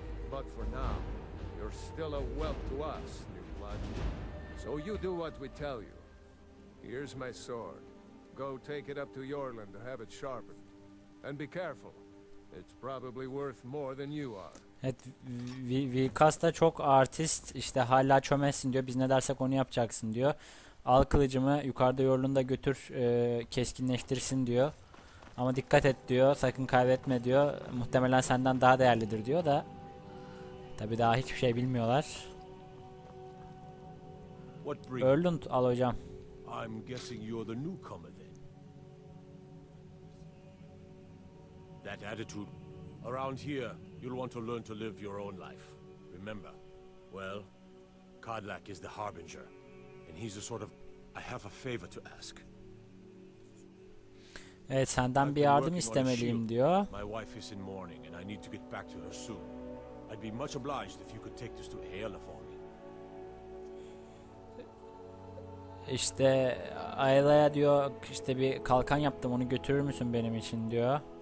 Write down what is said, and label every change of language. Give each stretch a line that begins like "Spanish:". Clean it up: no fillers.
English: But for now, you're still a wealth to us, new blood. So you do what we tell you. Here's my sword. Go take it up to Yorland to have it sharpened. And be careful. It's probably worth more than you are.
Turkish: Evet, Vilkas da çok artist, işte hala çömezsin diyor, biz ne dersek onu yapacaksın diyor. Al kılıcımı, yukarıda yorulunda götür, keskinleştirsin diyor. Ama dikkat et diyor, sakın kaybetme diyor, muhtemelen senden daha değerlidir diyor da. Tabi daha hiçbir şey bilmiyorlar. Yorulund al hocam.
English: I'm guessing you're the newcomer then. That attitude around here. You'll want to learn to live your own life. Remember, well, Kodlak is the harbinger, and he's a sort of. I have a favor to ask.
Turkish: Evet, senden bir yardım istemeliyim diyor.
English: My wife is in mourning, and I need to get back to her soon. I'd be much obliged if you could take this to Aella for me.
Turkish: İşte Aella'ya diyor, işte bir kalkan yaptım, onu götürür müsün benim için diyor.